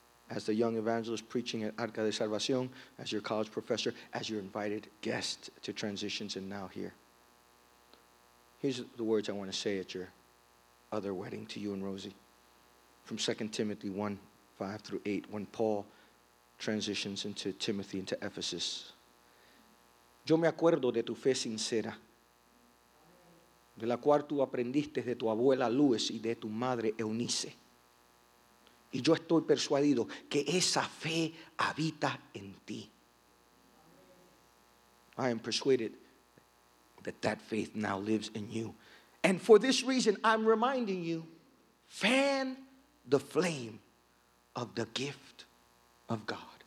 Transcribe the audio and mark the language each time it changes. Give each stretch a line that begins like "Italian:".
English: As the young evangelist preaching at Arca de Salvación, as your college professor, as your invited guest to Transitions and now here. Here's the words I want to say at your other wedding to you and Rosie. From 2 Timothy 1, 5 through 8, when Paul transitions into Timothy, into Ephesus.
Spanish: Yo me acuerdo de tu fe sincera, de la cual tú aprendiste de tu abuela Luis y de tu madre Eunice. Y yo estoy persuadido que esa fe habita en ti.
English: I am persuaded that that faith now lives in you. And for this reason, I'm reminding you, fan the flame of the gift of God.